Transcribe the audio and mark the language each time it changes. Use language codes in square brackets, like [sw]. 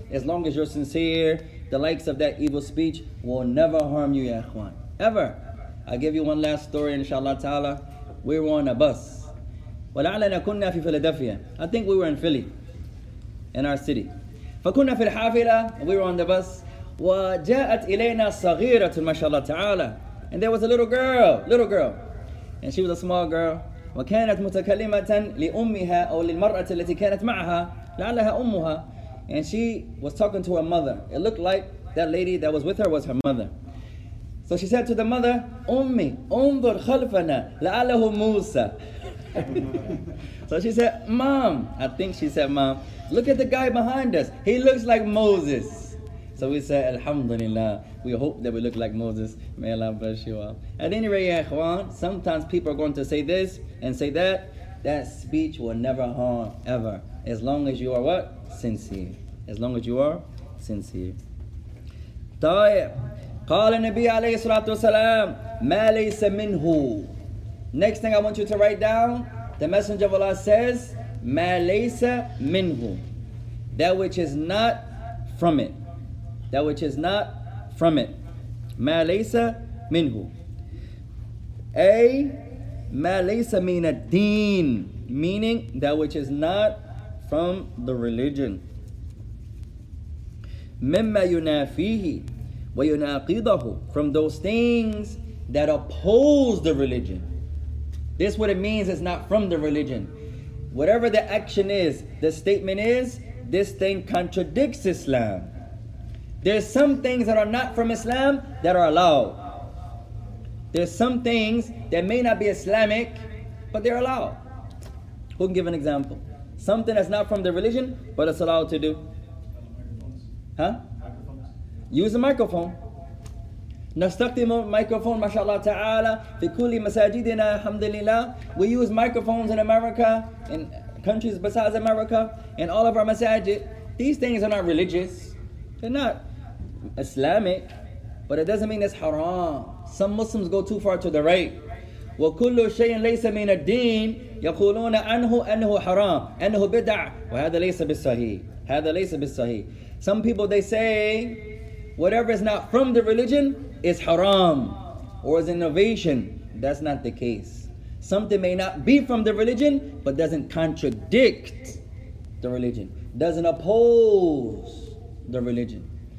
[en] As long as you're sincere, the likes of that evil speech will never harm you, ya ikhwan. Ever. I'll give you one last story, inshallah ta'ala. We were on a bus. [ar] Wala'alana kunna fi Philadelphia. [en] I think we were in Philly, in our city. [ar] فكنا في الحافلة, [en] we were on the bus. [ar] وجاءت إلينا صغيرة ما شاء الله تعالى. [en] And there was a little girl. And she was a small girl. [ar] وكانت متكلمة لأمها أو للمرأة التي كانت معها. لعلها أمها. [en] And she was talking to her mother. It looked like that lady that was with her was her mother. So she said to the mother, [ar] أمي انظر خلفنا لعله موسى. [en] So she said, Mom, I think she said, Mom, look at the guy behind us. He looks like Moses. So we said, Alhamdulillah. We hope that we look like Moses. May Allah bless you all. At any rate, ya ikhwan, sometimes people are going to say this and say that. That speech will never harm, ever. As long as you are what? Sincere. As long as you are sincere. [ar] طيب. قال النبي عليه الصلاة والسلام ما ليس منه. [en] Next thing I want you to write down, the Messenger of Allah says, [ar] مَا لَيْسَ مِنْهُ, [en] that which is not from it. That which is not from it. [ar] مَا لَيْسَ مِنْهُ. [en] A, [ar] مَا لَيْسَ مِنَ الدِّينِ, [en] meaning that which is not from the religion. [ar] مِمَّا يُنَافِيهِ وَيُنَاقِضَهُ, [en] from those things that oppose the religion. This what it means, it's not from the religion. Whatever the action is, the statement is, this thing contradicts Islam. There's some things that are not from Islam that are allowed. There's some things that may not be Islamic, but they're allowed. Who can give an example? Something that's not from the religion, but it's allowed to do. Huh? Use a microphone. [ar] نستخدم الميكروفون ما شاء الله تعالى في كل مساجدنا الحمد لله. [en] We use microphones in America, in countries besides America, in all of our masajid. These things are not religious. They're not Islamic. But it doesn't mean it's haram. Some Muslims go too far to the right. [ar] وكل شيء ليس من الدين يقولون عنه أنه حرام أنه بدع وهذا ليس بالصحيح. هذا ليس بالصحيح. [en] Some people, they say, whatever is not from the religion is haram or is innovation. That's not the case. Something may not be from the religion, but doesn't contradict the religion, doesn't oppose the religion.